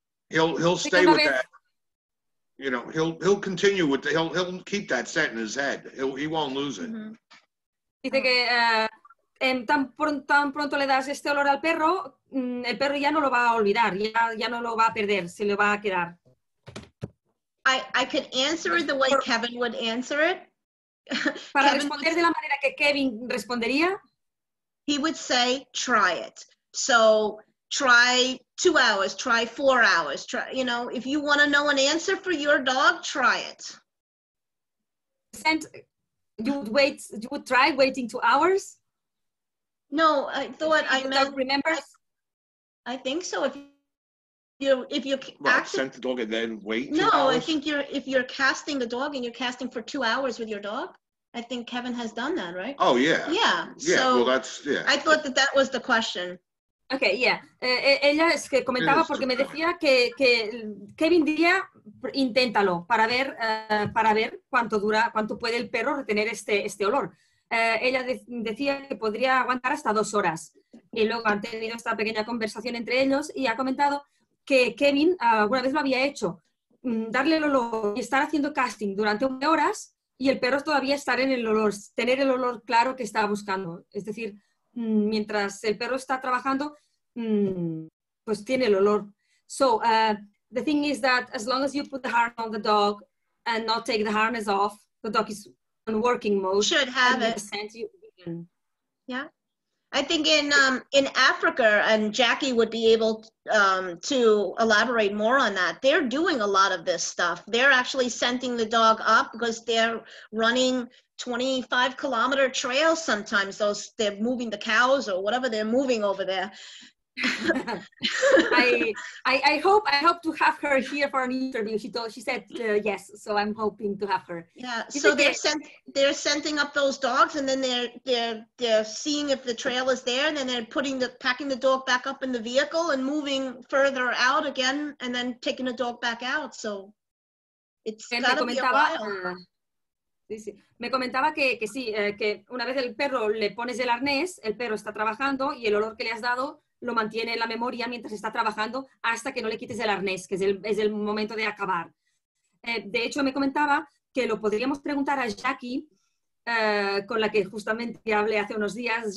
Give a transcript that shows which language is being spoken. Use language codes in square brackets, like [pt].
[en] He'll stay with that. You know, he'll continue with he'll keep that scent in his head. He won't lose it. [es] Mm-hmm. Dice que tan pronto le das este olor al perro, el perro ya no lo va a olvidar, ya no lo va a perder, se le va a quedar. [en] I could answer it the way Kevin would answer it. [es] Para responder de la manera que Kevin respondería, [en] he would say try it. So try 2 hours, try 4 hours, try, you know, if you want to know an answer for your dog, try it. And you would try waiting 2 hours? No, I thought you don't remember? I think so. If you what, scent the dog and then wait no, hours? I think if you're casting the dog and you're casting for 2 hours with your dog, I think Kevin has done that, right? Oh, yeah. Yeah, so well, that's, yeah. I thought that was the question. Okay, yeah. [es] Ella es que comentaba porque me decía que Kevin diría inténtalo para ver cuánto dura, cuánto puede el perro retener este olor. ella decía que podría aguantar hasta 2 horas. Y luego han tenido esta pequeña conversación entre ellos y ha comentado que Kevin alguna vez lo había hecho, darle el olor y estar haciendo casting durante 1 hora y el perro todavía estar en el olor, tener el olor claro que estaba buscando. Es decir, mientras el perro está trabajando, pues tiene el olor. [en] So, the thing is that as long as you put the harness on the dog and not take the harness off, the dog is in working mode. Should have it. Sent you in. Yeah. I think in Africa, and Jackie would be able to elaborate more on that, they're doing a lot of this stuff. They're actually sending the dog up because they're running 25-kilometer trails sometimes. Those, they're moving the cows or whatever they're moving over there. I hope to have her here for an interview. She said yes, so I'm hoping to have her. Yeah. So they're sending up those dogs, and then they're seeing if the trail is there, and then they're packing the dog back up in the vehicle and moving further out again, and then taking the dog back out. So it's got to be a while. [es] Sí. Me comentaba que sí, que una vez el perro le pones el arnés, el perro está trabajando y el olor que le has dado lo mantiene en la memoria mientras está trabajando hasta que no le quites el arnés, que es el momento de acabar. De hecho, me comentaba que lo podríamos preguntar a Jackie, con la que justamente hablé hace unos días.